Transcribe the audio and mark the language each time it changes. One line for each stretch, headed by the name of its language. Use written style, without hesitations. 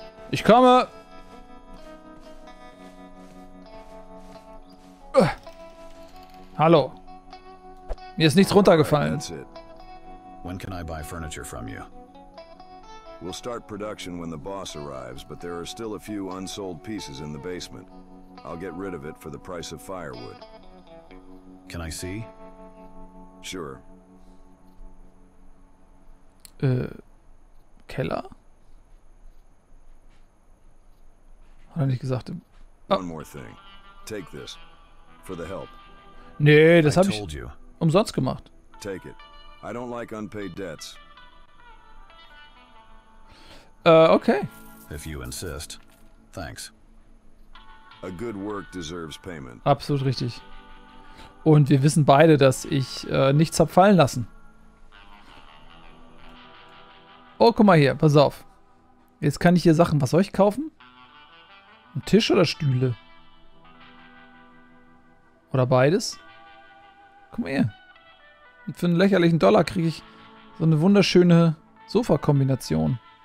German: Ich komme! Hallo. Mir ist nichts runtergefallen.
English: When can I buy furniture from you? We'll start production when the boss arrives, but there are still a few unsold pieces in the basement. I'll get rid of it for the price of firewood. Can I see? Sure.
German: Keller? Hat er nicht gesagt?
English: One more thing. Take this for the help.
German: Nee, das habe ich umsonst gemacht.
English: Take it. I don't like unpaid debts. Okay. If you insist. Thanks. A good work deserves payment.
German: Absolut richtig. Und wir wissen beide, dass ich nichts hab fallen lassen. Oh, guck mal hier, pass auf. Jetzt kann ich hier Sachen, was soll ich kaufen? Ein Tisch oder Stühle? Oder beides? Guck mal hier. Und für einen lächerlichen Dollar kriege ich so eine wunderschöne Sofa-Kombination.